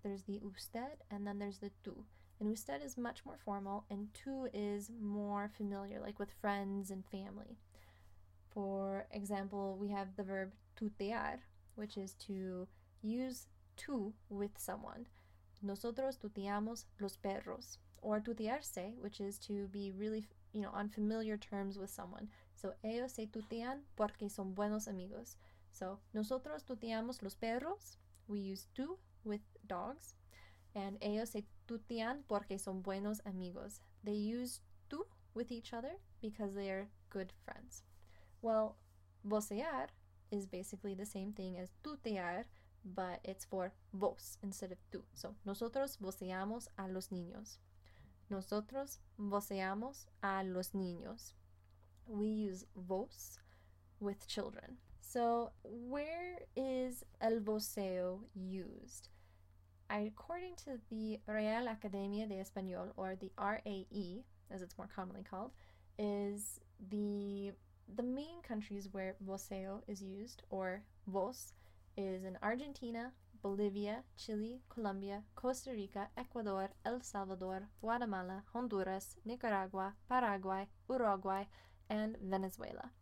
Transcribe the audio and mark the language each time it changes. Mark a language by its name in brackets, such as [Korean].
[English] There's the usted and then there's the tú. And usted is much more formal and tú is more familiar, like with friends and family. For example, we have the verb tutear, which is to use tú with someone. [Spanish] Nosotros tuteamos los perros, [English] or tutearse, which is to be really, you know, on familiar terms with someone. [Spanish] So, ellos se tutean porque son buenos amigos. So, nosotros tuteamos los perros, [English] we use tú with dogs, and [Spanish] ellos se tutean porque son buenos amigos. [English] They use tú with each other because they are good friends. Well, vocear is basically the same thing as tutear, but it's for vos instead of tú. [Spanish] So, nosotros voceamos a los niños. Nosotros voceamos a los niños. [English] We use vos with children. So, where is el voceo used? According to the Real Academia de Español, or the RAE, as it's more commonly called, is the main countries where voceo is used, or vos, is in Argentina, Bolivia, Chile, Colombia, Costa Rica, Ecuador, El Salvador, Guatemala, Honduras, Nicaragua, Paraguay, Uruguay, and Venezuela.